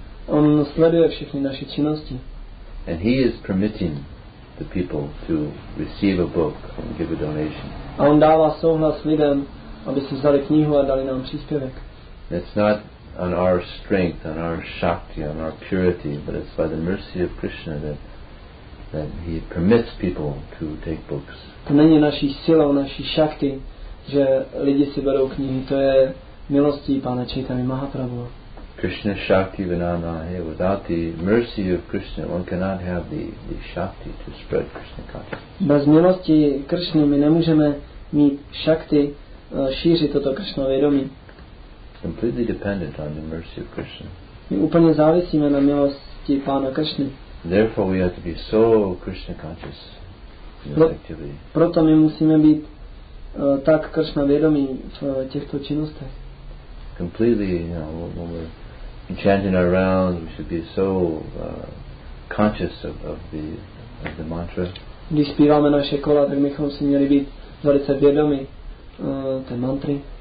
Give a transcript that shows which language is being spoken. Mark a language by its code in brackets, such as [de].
[cs] On sleduje všechny naše činnosti. [en] And he is permitting the people to receive a book and give a donation. [cs] A on dává souhlas lidem, aby si vzali knihu a dali nám příspěvek. [en] It's not on our strength, on our shakti, on our purity, but it's by the mercy of Krishna that he permits people to take books. [cs] To není naší silou, naší šakty, že lidi si berou knihy. To je milostí pána Chaitany Mahaprabhu. [sa] Krishna shakti vinana. [en] Without the mercy of Krishna, one cannot have the shakti to spread Krishna consciousness. [cs] Bez milosti Krishny my nemůžeme mít šakty šířit toto Krishna vědomí. [en] Completely dependent on the mercy of Krishna. [cs] My úplně závisíme na milosti pána Krishny. [en] Therefore, we have to be so Krishna conscious in this activity. [cs] Proto my musíme být tak Krishna vědomí v těchto činnostech. [en] Completely, you know, when we're chanting our rounds, we should be so conscious of the mantra. [cs] Když zpíváme naše kola, tak bychom si měli být velice vědomí té mantry.